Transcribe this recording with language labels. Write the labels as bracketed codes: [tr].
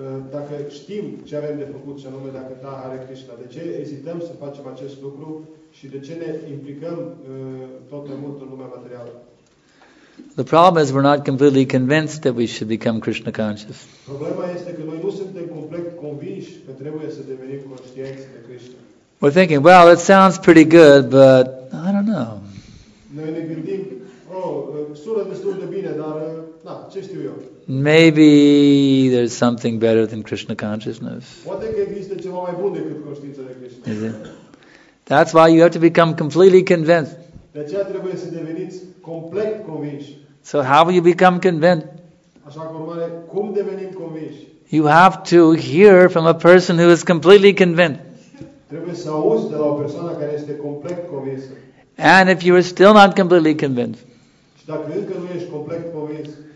[ro] Dacă știm ce avem de făcut, și anume dacă ta Hare Krishna, de ce ezităm să facem acest lucru și de ce ne implicăm tot mai mult în lumea materială? [en] The problem is we're not completely convinced that we should become Krishna conscious. [ro] Problema este că noi nu suntem complet convinși că trebuie să devenim conștienți de Krishna. [en] We're thinking, well, it sounds pretty good, but I don't know. [ro] Noi ne gândim, sună destul de bine, dar na, ce știu eu? [en] Maybe there's something better than Krishna consciousness. [ro] Poate că există ceva mai bun decât conștiința de Krishna. [en] Is it? That's why you have to become completely convinced. [ro] De aceea trebuie să deveniți complet convinși. [en] So how will you become convinced? [ro] Așa că, urmare, cum devenim convinși? [en] You have to hear from a person who is completely convinced. [ro] Trebuie să auzi de la o persoană care este complet convinsă. [en] And if you are still not completely convinced, [ro] și dacă încă nu ești complet convins,